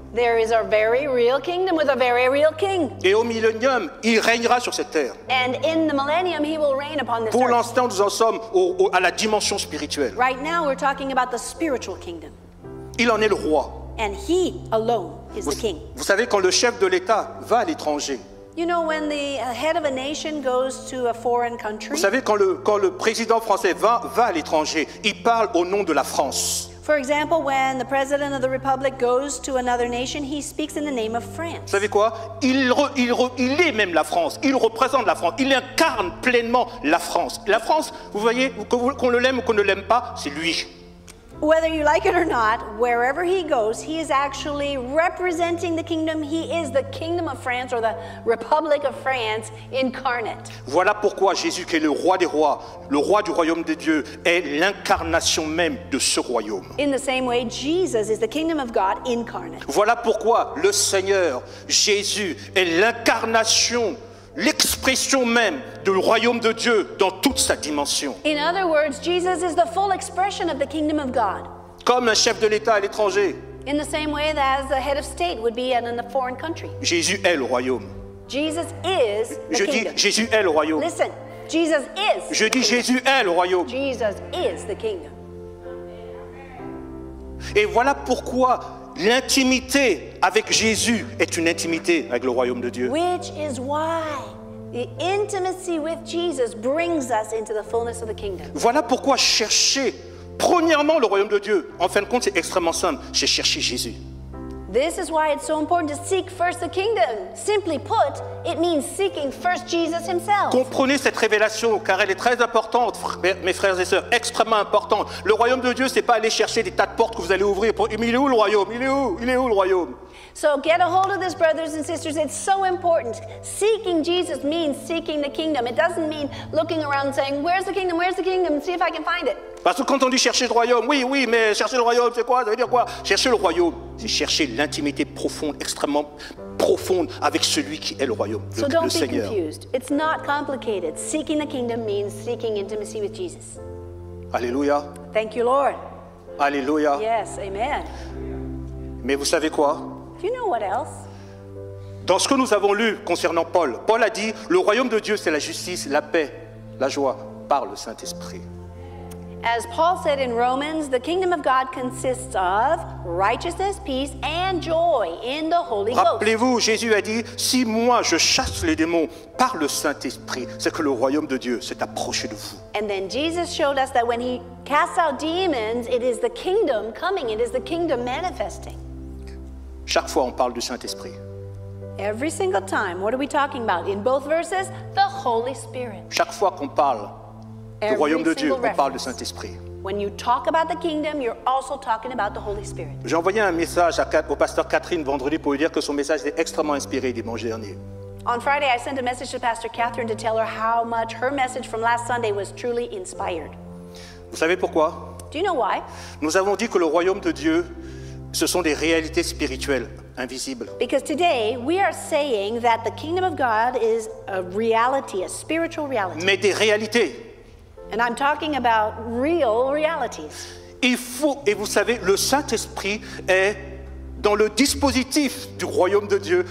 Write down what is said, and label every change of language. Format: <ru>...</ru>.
<en>There is a very real kingdom with a very real king.</en> <fr>Et au millénium, il règnera sur cette terre.</fr> <en>And in the millennium, he will reign upon this earth.</en> <fr>Pour l'instant, nous en sommes à la dimension spirituelle.</fr> <en>Right now, we're talking about the spiritual kingdom.</en> <fr>Il en est le roi.</fr> <en>And he alone is the king.</en> <fr>Vous savez, quand le chef de l'État va à l'étranger,</fr> <en>you know when the head of a nation goes to a foreign country?</en> <fr>Vous savez quand le président français va à l'étranger, il parle au nom de la France.</fr> <en>For example, when the president of the republic goes to another nation, he speaks in the name of France.</en> <fr>Vous savez quoi? Il est même la France. Il représente la France. Il incarne pleinement la France. La France, vous voyez, qu'on le l'aime ou qu'on ne l'aime pas, c'est lui.</fr> <en>Whether you like it or not, wherever he goes, he is actually representing the kingdom. He is the kingdom of France or the Republic of France incarnate.</en> <fr>Voilà pourquoi Jésus, qui est le roi des rois, le roi du royaume de Dieu, est l'incarnation même de ce royaume.</fr> <en>In the same way, Jesus is the kingdom of God incarnate.</en> <fr>Voilà pourquoi le Seigneur Jésus est l'incarnation, l'expression même du royaume de Dieu dans toute sa dimension.</fr> <en>In other words, Jesus is the full expression of the kingdom of God.</en> <fr>Comme un chef de l'État à l'étranger.</fr> <en>In the same way that as a head of state would be in a foreign country.</en> <fr>Jésus est le royaume.</fr> <en>Jesus is the kingdom.</en> <fr>Je dis Jésus est le royaume.</fr> <en>Listen, Jesus is.</en> <fr>Je dis Jésus est le royaume.</fr> <en>Jesus is the kingdom.</en> <fr>Et voilà pourquoi l'intimité avec Jésus est une intimité avec le royaume de Dieu.</fr> <en>Which is why the intimacy with Jesus brings us into the fullness of the kingdom.</en> <fr>Voilà pourquoi chercher premièrement le royaume de Dieu, en fin de compte, c'est extrêmement simple, c'est chercher Jésus.</fr> <en>This is why it's so important to seek first the kingdom. Simply put, it means seeking first Jesus himself.</en> <fr>Comprenez cette révélation car elle est très importante, mes frères et sœurs, extrêmement importante. Le royaume de Dieu, c'est pas aller chercher des tas de portes que vous allez ouvrir pour il est où le royaume? Il est où le royaume?</fr> <en>So get a hold of this, brothers and sisters. It's so important. Seeking Jesus means seeking the kingdom. It doesn't mean looking around and saying, where's the kingdom? Where's the kingdom? See if I can find it.</en> <fr>Parce que quand on dit chercher le royaume, oui, mais chercher le royaume, c'est quoi? Ça veut dire quoi? Chercher le royaume, c'est chercher l'intimité profonde, extrêmement profonde avec celui qui est le royaume, le Seigneur.</fr> <en>So don't be confused. It's not complicated. Seeking the kingdom means seeking intimacy with Jesus.</en> <fr>Alléluia.</fr> <en>Thank you, Lord.</en> <fr>Alléluia.</fr> <en>Yes, amen.</en> <fr>Mais vous savez quoi?</fr> <en>Do you know what else?</en> <fr>Dans ce que nous avons lu concernant Paul, Paul a dit, le royaume de Dieu, c'est la justice, la paix, la joie par le Saint-Esprit.</fr> <en>As Paul said in Romans, the kingdom of God consists of righteousness, peace, and joy in the Holy Ghost.</en> <fr>Rappelez-vous, Jésus a dit, si moi je chasse les démons par le Saint-Esprit, c'est que le royaume de Dieu s'est approché de vous.</fr> <en>And then Jesus showed us that when he casts out demons, it is the kingdom coming, it is the kingdom manifesting.</en> <fr>Chaque fois, on parle du Saint-Esprit.</fr> <en>Every single time, what are we talking about? In both verses, the Holy Spirit.</en> <fr>Chaque fois qu'on parle du royaume de Dieu, on parle du Saint-Esprit.</fr> <en>When you talk about the kingdom, you're also talking about the Holy Spirit.</en> <fr>J'ai envoyé un message au pasteur Catherine vendredi pour lui dire que son message était extrêmement inspiré dimanche dernier.</fr> <en>On Friday, I sent a message to Pastor Catherine to tell her how much her message from last Sunday was truly inspired.</en> <fr>Vous savez pourquoi?</fr> <en>Do you know why?</en> <fr>Nous avons dit que le royaume de Dieu, ce sont des réalités spirituelles invisibles.</fr> <en>Because today we are saying that the kingdom of God is a reality, a spiritual reality.</en> <fr>Mais des réalités.</fr> <en>And I'm talking about real realities.</en> <fr>Il faut, et vous savez, le Saint-Esprit est dans le dispositif du royaume de Dieu.</fr>